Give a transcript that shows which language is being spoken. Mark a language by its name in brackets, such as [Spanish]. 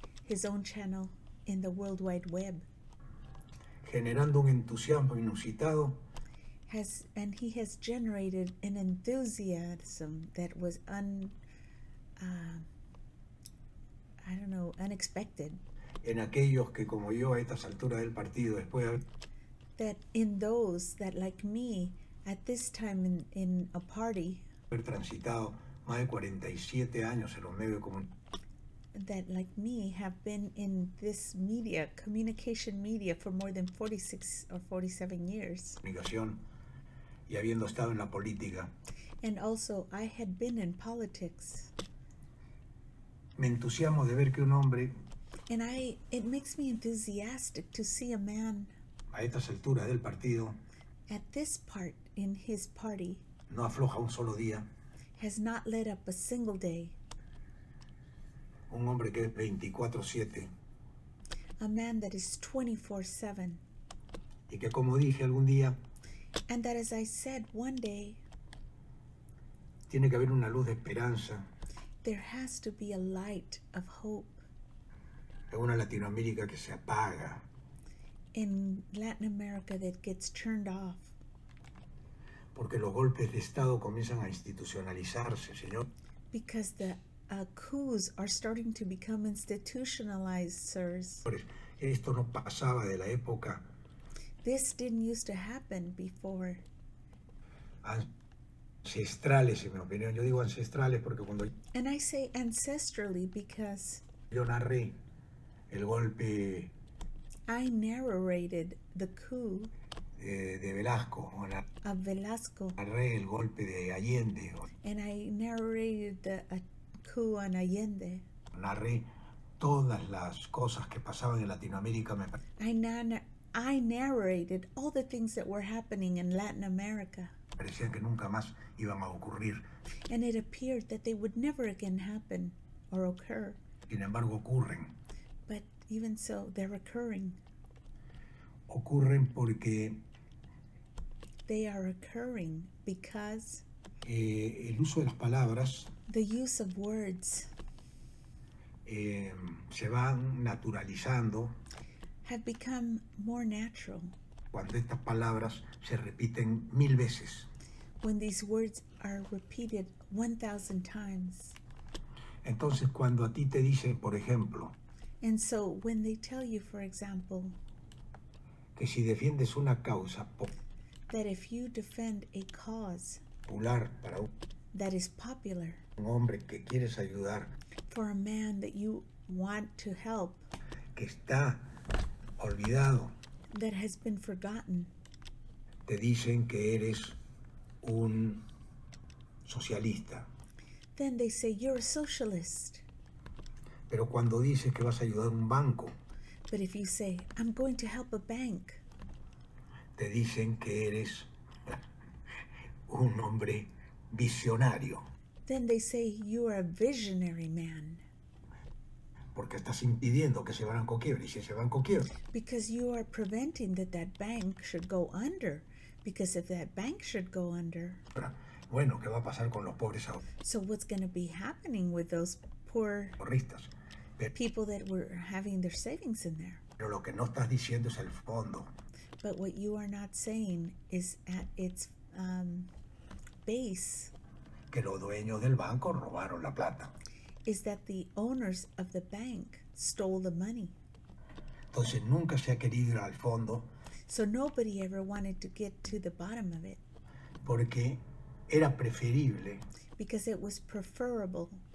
[English] his own channel in the World Wide Web, [Spanish] generando un entusiasmo inusitado, [English] has, and he has generated an enthusiasm that was unexpected. [Spanish] En aquellos que como yo a estas alturas del partido después de [English] that in those that like me at this time in a party [Spanish] haber transitado más de 47 años en los medios de comunicación, [English] that like me have been in this media, communication media, for more than 46 or 47 years. [Spanish] Comunicación y habiendo estado en la política. [English] And also I had been in politics. [Spanish] Me entusiasmo de ver que un hombre, [English] and I, it makes me enthusiastic to see a man [Spanish] a estas alturas del partido, [English] at this part in his party, [Spanish] no afloja un solo día, [English] has not let up a single day. [Spanish] Un hombre que es 24/7. [English] A man that is 24/7. [Spanish] Y que como dije algún día, [English] and that as I said one day, [Spanish] tiene que haber una luz de esperanza, [English] there has to be a light of hope, [Spanish] en una Latinoamérica que se apaga, [English] in Latin America that gets turned off, [Spanish] porque los golpes de Estado comienzan a institucionalizarse, señor, [English] because the coups are starting to become institutionalized, sirs. [Spanish] Esto no pasaba de la época. [English] This didn't used to happen before. [Spanish] Ancestrales, en mi opinión. Yo digo ancestrales porque cuando [English] And I say ancestrally because [Spanish] yo narré el golpe, [English] I narrated the coup [Spanish] de Velasco, o [English] of Velasco. [Spanish] Narré el golpe de Allende. [English] And I narrated the coup on Allende. [Spanish] Narré todas las cosas que pasaban en Latinoamérica. [English] I narrated all the things that were happening in Latin America. [Spanish] Parecía que nunca más iban a ocurrir. [English] And it appeared that they would never again happen or occur. [Spanish] Sin embargo, ocurren. [English] But even so, they're occurring. [Spanish] Ocurren porque [English] they are occurring because [Spanish] el uso de las palabras, [English] the use of words, [Spanish] se van naturalizando, [English] have become more natural. [Spanish] Cuando estas palabras se repiten mil veces, [English] when these words are repeated 1,000 times. [Spanish] Entonces, cuando a ti te dicen, por ejemplo, [English] and so when they tell you, for example, [Spanish] que si defiendes una causa [English] that if you defend a cause [Spanish] popular para [English] that is popular, [Spanish] un hombre que quieres ayudar, [English] for a man that you want to help, [Spanish] que está olvidado, [English] that has been forgotten, [Spanish] te dicen que eres un socialista. [English] Then they say you're a socialist. [Spanish] Pero cuando dices que vas a ayudar a un banco, [English] but if you say I'm going to help a bank, [Spanish] te dicen que eres un hombre visionario. [English] Then they say you are a visionary man. [Spanish] Porque estás impidiendo que ese banco quiebre, y si ese banco quiebre, [English] because you are preventing that that bank should go under. Because if that bank should go under, [Spanish] bueno, ¿qué va a pasar con los pobres ahora? [English] So what's going to be happening with those poor [Spanish] corristas, [English] people that were having their savings in there? [Spanish] Pero lo que no estás diciendo es el fondo. [English] But what you are not saying is at its base, [Spanish] que los dueños del banco robaron la plata, [English] is that the owners of the bank stole the money. [Spanish] Entonces nunca se ha querido ir al fondo. [English] So nobody ever wanted to get to the bottom of it. [Spanish] Porque era preferible, [English] because it was preferable,